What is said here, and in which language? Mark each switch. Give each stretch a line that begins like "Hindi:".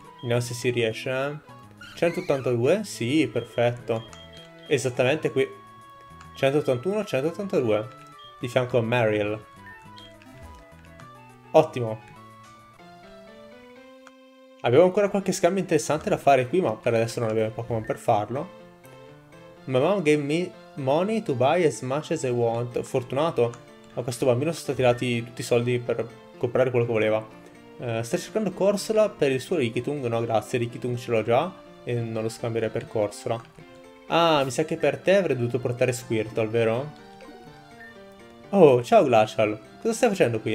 Italian: Vediamo se si riesce. 182? Sì, perfetto. Esattamente qui. 181, 182. Di fianco a Mariel. Ottimo. Abbiamo ancora qualche scambio interessante da fare qui, ma per adesso non abbiamo Pokémon per farlo.
English: My mom gave me money to buy as much as I want.
Italian: Fortunato. A questo bambino sono stati dati tutti i soldi per comprare quello che voleva. Stai cercando Corsola per il suo Rickitung? No, grazie, Rickitung ce l'ho già e non lo scambierei per Corsola. Ah, mi sa che per te avrei dovuto portare Squirtle, vero? Oh, ciao Glacial. Cosa stai facendo qui?